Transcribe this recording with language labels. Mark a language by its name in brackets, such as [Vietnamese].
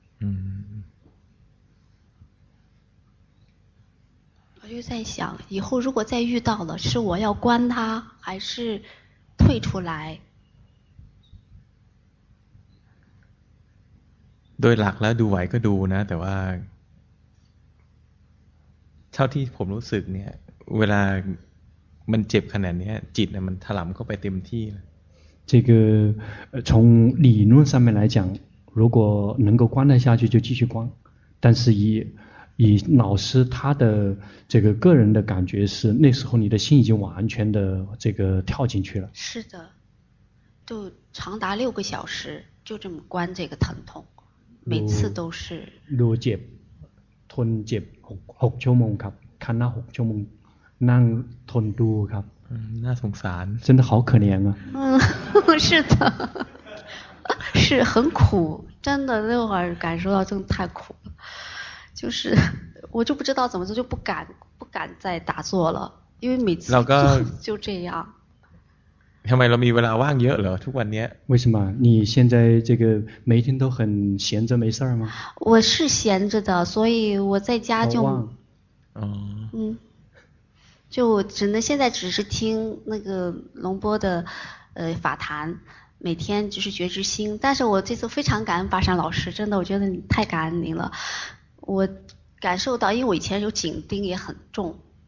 [Thai] ผมก็ [Chinese] 在想以后如果再遇到了是我要关他还是退出来 [Thai] โดยหลักแล้วดูไหวก็ดูนะแต่ว่าเท่าที่ผมรู้สึกเนี่ยเวลามันเจ็บขนาดนี้จิตมันถลำเข้าไปเต็มที่ [Chinese] 这个从理论上面来讲，如果能够关得下去就继续关，但是以老师他的这个个人的感觉是，那时候你的心已经完全的这个跳进去了。是的，就长达6个小时，就这么关这个疼痛，每次都是。 [Thai] รู้เจ็บทนเจ็บหกชั่วโมงครับคันหน้าหกชั่วโมงนั่งทนดูครับ น่าสงสาร [Chinese] 真的好可怜啊是的是很苦真的那会儿感受到真的太苦了就是我就不知道怎么做就不敢再打坐了因为每次就这样 [Thai] ทำไมเรามีเวลาว่างเยอะเหรอทุกวันนี้ [Chinese] 为什么你现在这个每天都很闲着没事儿吗我是闲着的所以我在家就好旺就只能现在只是听那个龙波的法坛每天就是觉知心但是我这次非常感恩巴山老师真的我觉得你太感恩您了我感受到因为我以前有紧盯也很重